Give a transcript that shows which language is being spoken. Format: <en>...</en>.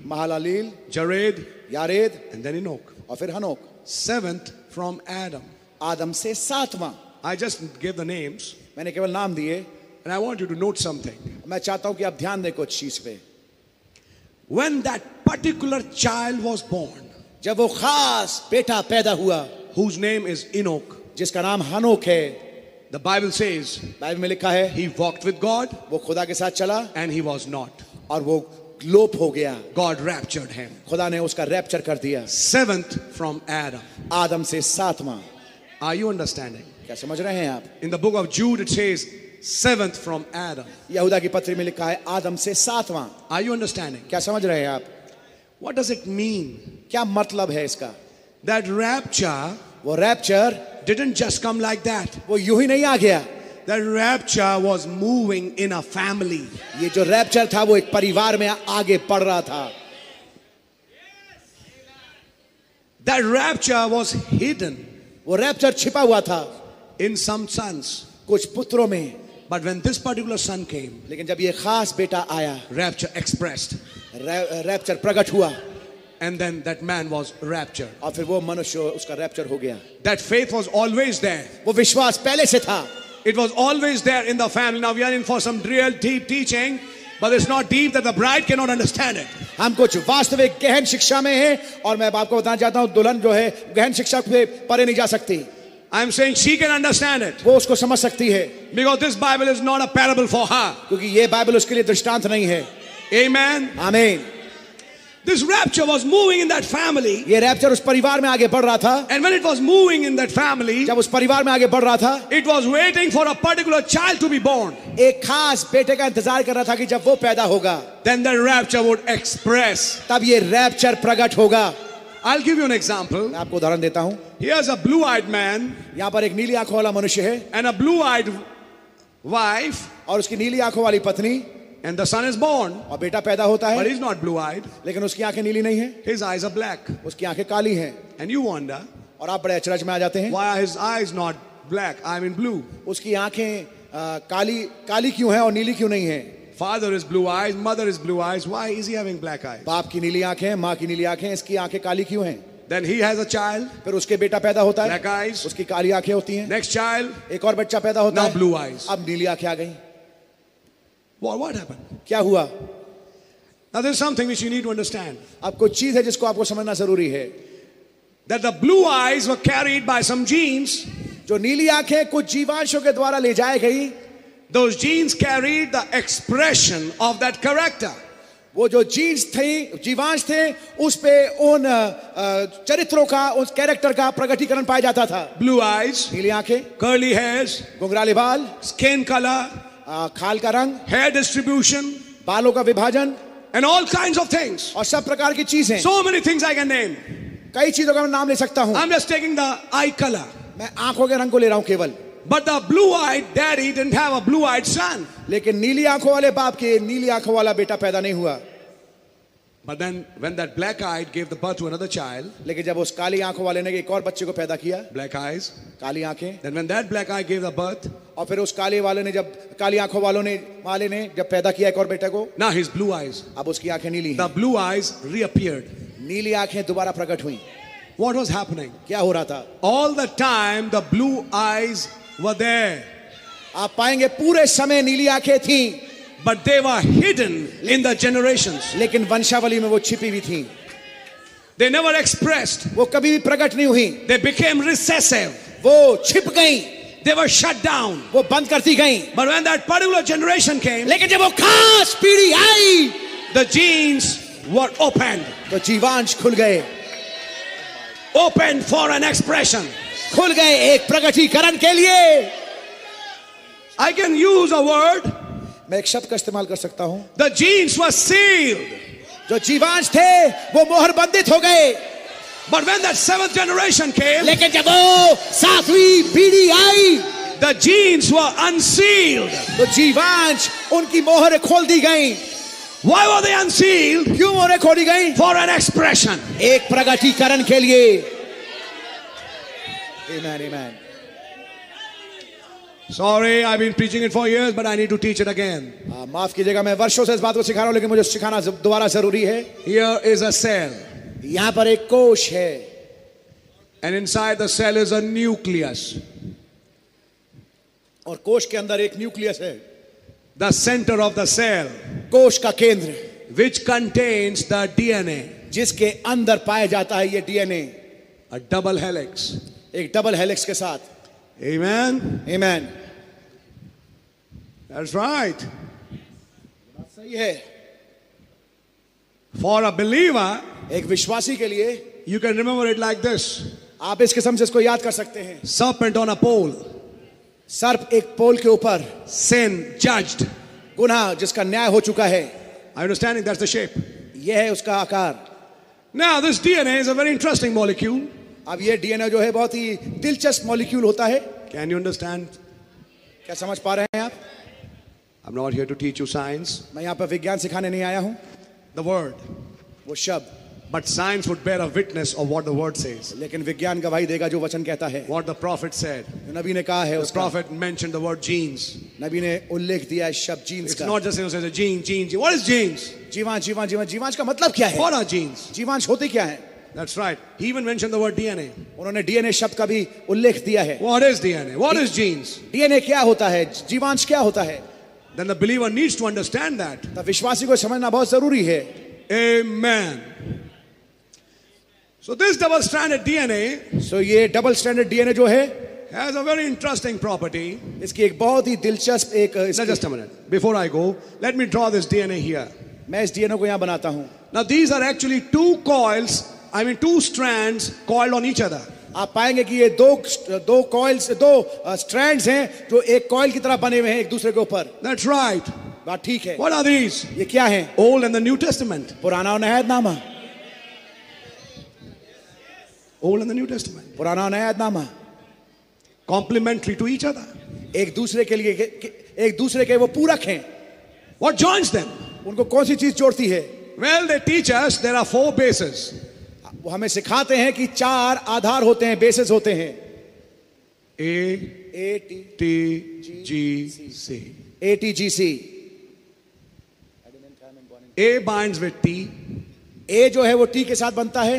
<en>Mahalaleel Jared यारेद and then Enoch</en> <hi>और फिर हनोक</hi> <en>seventh from Adam</en> <hi>आदम से सातवां</hi> <en>I just give the names</en> <hi>मैंने केवल नाम दिए</hi> <en>and I want you to note something</en> <hi>मैं चाहता हूं कि आप ध्यान दें कुछ चीज पे</hi> <en>When that particular child was born,</en> <hi>जब वो खास बेटा पैदा हुआ,</hi> <en>whose name is Enoch,</en> <hi>जिसका नाम हनोक है,</hi> <en>the Bible says,</en> <hi>बाइबल में लिखा है,</hi> <en>he walked with God,</en> <hi>वो खुदा के साथ चला,</hi> <en>and he was not,</en> <hi>और वो लोप हो गया,</hi> <en>God raptured him,</en> <hi>खुदा ने उसका रैप्चर कर दिया,</hi> <en>seventh from Adam,</en> <hi>आदम से सातवां,</hi> <en>are you understanding?</en> <hi>क्या समझ रहे हैं आप?</hi> <en>In the book of Jude it says. Seventh from Adam.</en> <hi>Yahuda ki patri mein likha hai Adam se saatwa.</hi> <en>Are you understanding?</en> <hi>Kya samajh rahe hain aap?</hi> <en>What does it mean?</en> <hi>Kya matlab hai iska?</hi> <en>That rapture.</en> <hi>Wo rapture</hi> <en>didn't just come like that.</en> <hi>Wo yun hi nahi aa gaya.</hi> <en>That rapture was moving in a family.</en> <hi>Ye jo rapture tha wo ek parivar mein aage badh raha tha.</hi> <en>That rapture was hidden.</en> <hi>Wo rapture chhipa hua tha.</hi> <en>In some sons.</en> <hi>कुछ पुत्रों में</hi> <en>but when this particular son came</en> <hi>लेकिन जब ये खास बेटा आया</hi> <en>rapture expressed</en> <hi>rapture प्रकट हुआ</hi> <en>and then that man was rapture</en> <hi>और फिर वो मनुष्य उसका रैप्चर हो गया</hi> <en>that faith was always there</en> <hi>वो विश्वास पहले से था</hi> <en>it was always there in the family now we are in for some real deep teaching but it's not deep that the bride can not understand it</en> <hi>हम कुछ वास्तविक गहन शिक्षा में हैं और मैं आपको बताना चाहता हूं दुल्हन जो है गहन शिक्षा से परे नहीं जा सकती</hi> <en>I'm saying she can understand it.</en> <hi>वो उसको समझ सकती है.</hi> <en>Because this Bible is not a parable for her.</en> <hi>क्योंकि ये बाइबल उसके लिए दृष्टांत नहीं है.</hi> <en>Amen. Amen. This rapture was moving in that family.</en> <hi>ये रैप्चर उस परिवार में आगे बढ़ रहा था.</hi> <en>And when it was moving in that family,</en> <hi>जब उस परिवार में आगे बढ़ रहा था,</hi> <en>it was waiting for a particular child to be born.</en> <hi>एक खास बेटे का इंतजार कर रहा था कि जब वो पैदा होगा,</hi> <en>then the rapture would express.</en> <hi>तब ये रैप्चर प्रकट होगा.</hi> <en>I'll give you an example.</en> <hi>मैं आपको उदाहरण देता हूँ.</hi> <en>He has a blue-eyed man.</en> <hi>यहाँ पर एक नीली आँखों वाला मनुष्य है.</hi> <en>And a blue-eyed wife.</en> <hi>और उसकी नीली आँखों वाली पत्नी.</hi> <en>And the son is born.</en> <hi>और बेटा पैदा होता है.</hi> <en>But he's not blue-eyed.</en> <hi>लेकिन उसकी आँखें नीली नहीं हैं.</hi> <en>His eyes are black.</en> <hi>उसकी आँखें काली हैं.</hi> <en>And you wonder.</en> <hi>और आप बड़े अचरज में आ जाते हैं.</hi> <en>Why are his eyes not black? I mean blue.</en> <hi>उसकी आँखें काली क्यों हैं और नीली क्यों नहीं हैं?</hi> <en>Father is blue eyes, mother is blue eyes. Why is he having black eyes?</en> <hi>बाप की नीली आँखें, माँ की नीली आँखें, इसकी आँखें काली क्यों हैं?</hi> <en>Then he has a child.</en> <hi>फिर उसके बेटा पैदा होता है.</hi> <en>Black eyes.</en> <hi>उसकी काली आँखें होती हैं.</hi> <en>Next child.</en> <hi>एक और बच्चा पैदा होता है.</hi> <en>Now blue eyes.</en> <hi>अब नीली आँखें आ गईं.</hi> <en>What happened?</en> <hi>क्या हुआ?</hi> <en>Now there's something which you need to understand.</en> <hi>अब कोई चीज़ है जिसको आपको समझना ज़रूरी है.</hi> <en>That the blue eyes were carried by some genes.</en> <hi>जो नीली आँखें कुछ जीवांशों के द्वारा ले जाए गई.</hi> <en>Those genes carried the expression of that character.</en> <hi>वो जो genes थे, जीवांश थे, उस पे उन चरित्रों का, उस character का प्रकटीकरण पाया जाता था.</hi> <en>Blue eyes,</en> <hi>नीली आँखें,</hi> <en>curly hairs,</en> <hi>घुंघराले बाल,</hi> <en>skin color,</en> <hi>खाल का रंग,</hi> <en>hair distribution,</en> <hi>बालों का विभाजन,</hi> <en>and all kinds of things.</en> <hi>और सब प्रकार की चीजें.</hi> <en>So many things I can name.</en> <hi>कई चीजों का मैं नाम ले सकता हूँ.</hi> <en>I'm just taking the eye color.</en> <hi>मैं आंखों के रंग को ले रहा हूं केवल.</hi> <en>But the blue-eyed daddy didn't have a blue-eyed son.</en> <hi>लेकिन नीली आंखों वाले बाप के नीली आंखों वाला बेटा पैदा नहीं हुआ.</hi> <en>But then, when that black-eyed gave the birth to another child,</en> <hi>लेकिन जब उस काली आंखों वाले ने एक और बच्चे को पैदा किया,</hi> <en>black eyes,</en> <hi>काली आंखें,</hi> <en>then when that black eye gave the birth,</en> <hi>और फिर उस काले वाले ने जब काली आंखों वालों ने माले ने जब पैदा किया एक और बेटे को,</hi> <en>now his blue eyes,</en> <hi>अब उसकी आंखें नीली,</hi> <en>the blue eyes reappeared,</en> <hi>नीली आंखें दोबारा प्रकट हुई.</hi> <en>What was happening?</en> <hi>क्या हो रहा था?</hi> <en>All the time, the blue eyes were there.</en> <hi>आप पाएंगे पूरे समय नीली आंखें थी.</hi> <en>But they were hidden in the generations.</en> <hi>लेकिन वंशावली में वो छिपी हुई थी.</hi> <en>They never expressed.</en> <hi>वो कभी भी प्रकट नहीं हुई.</hi> <en>They became recessive.</en> <hi>वो छिप गई.</hi> <en>They were shut down.</en> <hi>वो बंद कर दी गई.</hi> <en>But when that particular generation came,</en> <hi>लेकिन जब वो खास पीढ़ी आई,</hi> <en>the genes were opened.</en> <hi>तो जीवांश खुल गए.</hi> <en>Opened for an expression.</en> <hi>खुल गए एक प्रकटीकरण के लिए.</hi> <en>I can use a word.</en> <hi>मैं एक शब्द का इस्तेमाल कर सकता हूं.</hi> <en>The genes were sealed.</en> <hi>जो जीवांश थे वो मोहर बंदित हो गए.</hi> <en>But when that seventh generation came,</en> <hi>लेकिन जब वो सातवीं पीढ़ी आई,</hi> <en>the genes were unsealed.</en> <hi>तो जीवांश उनकी मोहर खोल दी गई.</hi> <en>Why were they unsealed?</en> <hi>क्यों मोहर खोली गई?</hi> <en>For an expression.</en> <hi>एक प्रकटीकरण के लिए.</hi> <en>Amen, amen. Sorry, I've been preaching it for years, but I need to teach it again.</en> <hi>माफ कीजिएगा, मैं वर्षों से इस बात को सिखा रहा हूं, लेकिन मुझे सिखाना दोबारा जरूरी है.</hi> <en>Here is a cell.</en> <hi>यहां पर एक कोश है.</hi> <en>And inside the cell is a nucleus.</en> <hi>और कोश के अंदर एक न्यूक्लियस है.</hi> <en>The center of the cell.</en> <hi>कोश का केंद्र.</hi> <en>Which contains the DNA.</en> <hi>जिसके अंदर पाया जाता है ये DNA.</hi> <en>A double helix.</en> <hi>एक डबल हेलिक्स के साथ.</hi> <en>Amen. Amen. That's right.</en> <hi>बात सही है.</hi> <en>For a believer,</en> <hi>एक विश्वासी के लिए,</hi> <en>you can remember it like this.</en> <hi>आप इस किस्म से इसको याद कर सकते हैं.</hi> <en>Serpent on a pole.</en> <hi>सर्प एक पोल के ऊपर.</hi> <en>Sin judged.</en> <hi>गुनाह जिसका न्याय हो चुका है.</hi> <en>I understand it. That's the shape.</en> <hi>यह है उसका आकार.</hi> <en>Now this DNA is a very interesting molecule.</en> <hi>अब ये डीएनए जो है बहुत ही दिलचस्प मॉलिक्यूल होता है.</hi> <en>Can you understand?</en> <hi>क्या समझ पा रहे हैं आप?</hi> <en>I am not here to teach you science.</en> <hi>मैं यहां पर विज्ञान सिखाने नहीं आया हूं.</hi> <en>the word,</en> <hi>वो शब्द.</hi> <en>But science would bear a witness of what the word says.</en> <hi>लेकिन विज्ञान गवाही देगा जो वचन कहता है.</hi> <en>What the prophet said.</en> <hi>नबी ने कहा है.</hi> <en>The prophet mentioned the word genes.</en> <hi>नबी ने उल्लेख दिया है शब्द जीन्स का.</hi> <en>It's not just gene gene. What is genes?</en> <hi>जीवांश. जीवांश. जीवांश. जीवांश का मतलब क्या है?</hi> <en>What are genes?</en> <hi>जीवांश होते क्या है?</hi> <en>That's right. He even mentioned the word DNA.</en> <hi>उन्होंने DNA शब्द का भी उल्लेख दिया है.</hi> <en>What is DNA? What is genes?</en> <hi>DNA क्या होता है? जीवांश क्या होता है?</hi> <en>Then the believer needs to understand that.</en> <hi>तो विश्वासी को समझना बहुत जरूरी है.</hi> <en>Amen. So this double-stranded DNA.</en> <hi>So ये double-stranded DNA जो है,</hi> <en>has a very interesting property.</en> <hi>इसकी एक बहुत ही दिलचस्प एक.</hi> <en>Now just a minute. Before I go, let me draw this DNA here.</en> <hi>मैं इस DNA को यहाँ बनाता हूँ.</hi> <en>Now these are actually two coils. I mean two strands coiled on each other.</en> <hi>आप पाएंगे कि ये दो coils, दो strands हैं जो एक coil की तरह बने हुए हैं एक दूसरे के ऊपर.</hi> <en>That's right.</en> <hi>बात ठीक है.</hi> <en>What are these?</en> <hi>ये क्या हैं?</hi> <en>Old and the New Testament.</en> <hi>पुराना और नया नामा.</hi> <en>Old and the New Testament.</en> <hi>पुराना और नया नामा.</hi> <en>Complementary to each other.</en> <hi>एक दूसरे के लिए, एक दूसरे के वो पूरक हैं.</hi> <en>What joins them?</en> <hi>उनको कौन सी चीज जोड़ती है?</hi> <en>Well, they teach us there are four bases.</en> <hi>वो हमें सिखाते हैं कि चार आधार होते हैं, बेसिस होते हैं.</hi> <en>A A T T G C. A T G C. A binds with T.</en> <hi>ए जो है वो टी के साथ बनता है.</hi>